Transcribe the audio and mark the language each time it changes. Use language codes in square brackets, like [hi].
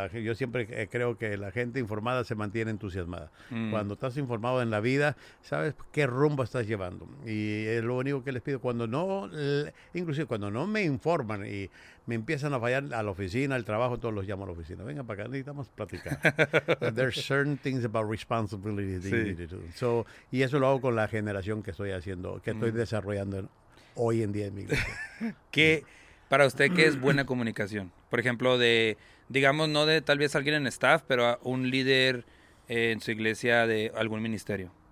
[es] Yo siempre creo que la gente informada se mantiene entusiasmada. Cuando estás informado en la vida, sabes qué rumbo estás llevando. Y es lo único que les pido, cuando no me informan y me empiezan a fallar a la oficina, al trabajo, todos los llamo a la oficina. Venga para acá, necesitamos platicar. [en] There's certain things about responsibility that you need to do. [es] So, y eso lo hago con la generación que estoy haciendo, que estoy desarrollando hoy en día en mi vida. ¿Qué, para usted, qué es buena comunicación? Por ejemplo, no de tal vez alguien en staff, pero un líder en su iglesia de algún ministerio.